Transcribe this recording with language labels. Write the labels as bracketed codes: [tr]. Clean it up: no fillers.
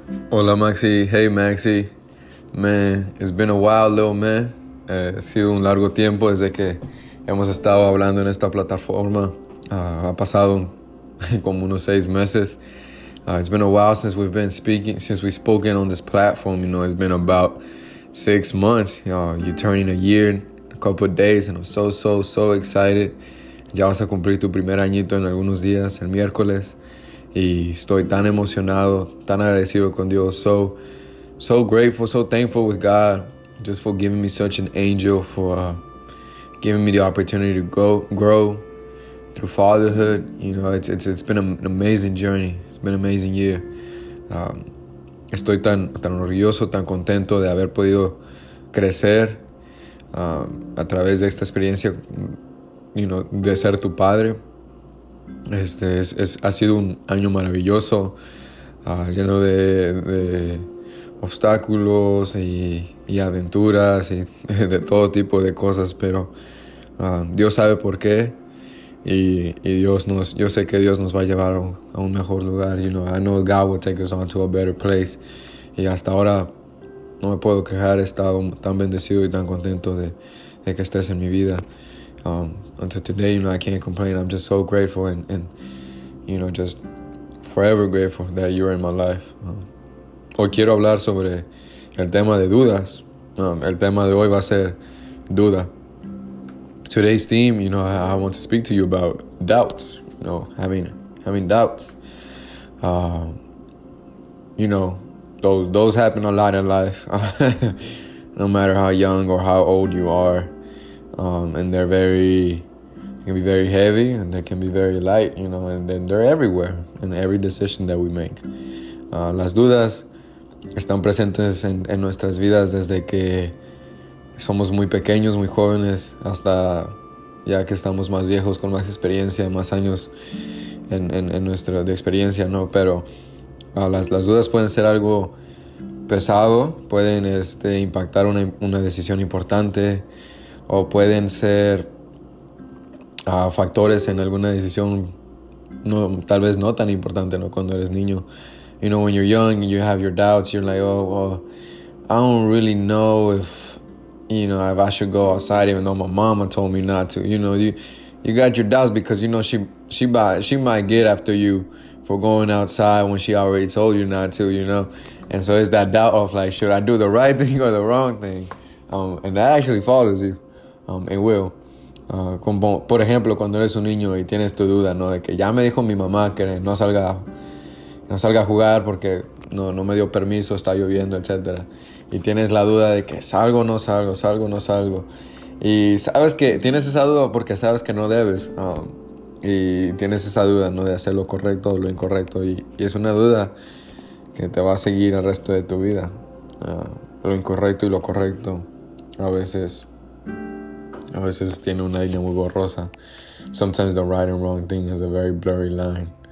[es] Hola Maxi, [en] hey Maxi, man, it's been a while, little man. [es] Ha sido un largo tiempo desde que hemos estado hablando en esta plataforma. Ha pasado como unos 6 meses. [en] It's been a while since we've been speaking, since we've spoken on this platform. You know, it's been about 6 months. You're turning a year in a couple of days, and I'm so excited. [es] Ya vas a cumplir tu primer añito en algunos días, el miércoles. Y estoy tan emocionado, tan agradecido con Dios, [en] so grateful, so thankful with God, just for giving me such an angel, for giving me the opportunity to grow through fatherhood. You know, it's been an amazing journey. It's been an amazing year. [es] Estoy tan orgulloso, tan contento de haber podido crecer a través de esta experiencia, [en] you know, [es] de ser tu padre. Ha sido un año maravilloso, lleno de obstáculos y aventuras y de todo tipo de cosas, pero Dios sabe por qué, y yo sé que Dios nos va a llevar a un mejor lugar. [en] You know, I know God will take us on to a better place. [es] Y hasta ahora no me puedo quejar. He estado tan bendecido y tan contento de que estés en mi vida. [en] Until today, you know, I can't complain. I'm just so grateful and you know, just forever grateful that you're in my life. [es] Hoy quiero hablar sobre el tema de dudas. El tema de hoy va a ser duda. [en] Today's theme, you know, I want to speak to you about doubts. You know, having doubts. You know, those happen a lot in life. No matter how young or how old you are. And they're very, they can be very heavy, and they can be very light, you know, and then they're everywhere in every decision that we make. [es] Las dudas están presentes en nuestras vidas desde que somos muy pequeños, muy jóvenes, hasta ya que estamos más viejos, con más experiencia, más años en nuestra de experiencia, ¿no? Pero las dudas pueden ser algo pesado, pueden impactar una decisión importante, o pueden ser factores en alguna decisión no, tal vez no tan importante, ¿no? Cuando eres niño. [en] You know, when you're young and you have your doubts, you're like, oh, well, I don't really know if, you know, if I should go outside even though my mama told me not to. You know, you got your doubts because, you know, she might get after you for going outside when she already told you not to, you know. And so it's that doubt of, like, should I do the right thing or the wrong thing? And that actually follows you. It will. [es] Como, por ejemplo, cuando eres un niño y tienes tu duda, ¿no? De que ya me dijo mi mamá que no salga a jugar porque no me dio permiso, está lloviendo, etc. Y tienes la duda de que salgo o no salgo. Y sabes que tienes esa duda porque sabes que no debes. Y tienes esa duda, ¿no? De hacer lo correcto o lo incorrecto. Y es una duda que te va a seguir el resto de tu vida. Lo incorrecto y lo correcto a veces tiene una línea muy borrosa. [en] Sometimes the right and wrong thing has a very blurry line.